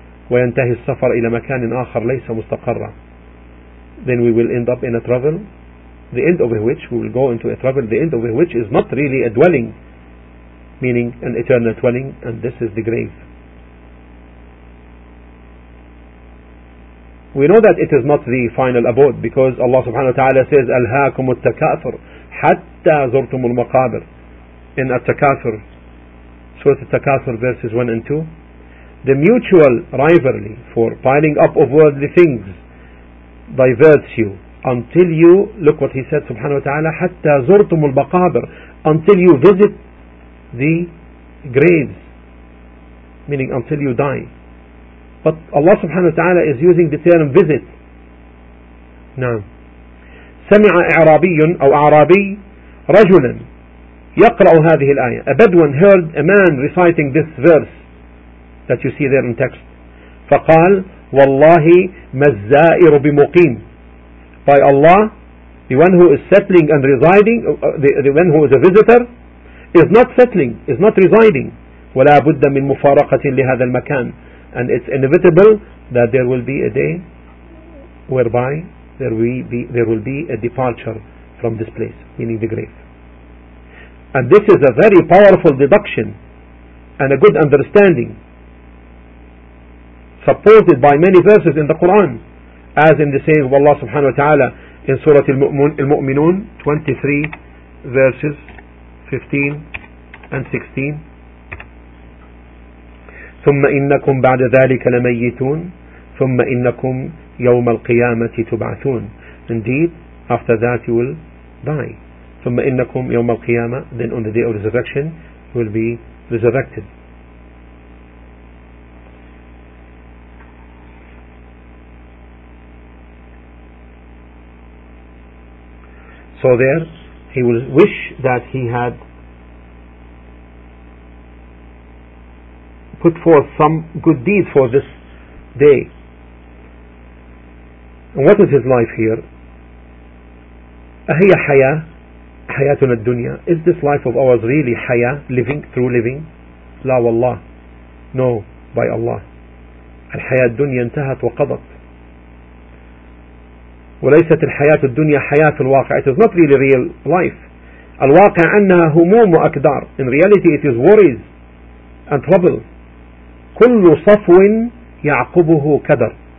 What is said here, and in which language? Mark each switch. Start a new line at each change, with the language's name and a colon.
Arabic: وينتهي السفر إلى مكان آخر ليس مستقرا.
English: Then we will end up in a travel, the end of which we will go into a travel, the end of which is not really a dwelling, meaning an eternal dwelling, and this is the grave. We know that it is not the final abode, because Allah subhanahu wa ta'ala says,
Arabic: أَلْهَاكُمُ التَّكَاثُرُ حَتَّى زُرْتُمُ الْمَقَابِرُ.
English: In At-Takathur, Surah At-Takathur, verses 1 and 2, the mutual rivalry for piling up of worldly things diverts you until you, look what he said subhanahu wa ta'ala,
Arabic: حَتَّى زُرْتُمُ الْمَقَابِرُ,
English: until you visit the graves, meaning until you die. But Allah subhanahu wa ta'ala is using the term visit.
Arabic: نعم. سمع إعرابي أو أعرابي رجلا يقرأ هذه الآية.
English: A Bedouin heard a man reciting this verse that you see there in text.
Arabic: فقال والله ما الزائر بمقيم.
English: By Allah, the one who is settling and residing, the one who is a visitor, is not settling, is not residing.
Arabic: ولا بد من مفارقة لهذا المكان.
English: And it's inevitable that there will be a day whereby there will be a departure from this place, meaning the grave. And this is a very powerful deduction and a good understanding, supported by many verses in the Quran, as in the saying of Allah subhanahu wa ta'ala in Surah Al-Mu'minun 23 verses 15 and 16.
Arabic: ثم إنكم بعد ذلك لميتون ثم إنكم يوم القيامة تبعثون.
English: Indeed, after that you will die.
Arabic: ثم إنكم يوم القيامة,
English: then on the day of resurrection you will be resurrected. So there he will wish that he had put forth some good deeds for this day. And what is his life here?
Arabic: أهي حياة حياتنا الدنيا.
English: Is this life of ours really حياة, living, through living?
Arabic: لا والله.
English: No, by Allah.
Arabic: الحياة الدنيا انتهت وقضت. وليست الحياة الدنيا حياة الواقع.
English: It is not really real life.
Arabic: الواقع أنها هموم وأكدار.
English: In reality it is worries and trouble.
Arabic: كل صفو يعقبه كدر.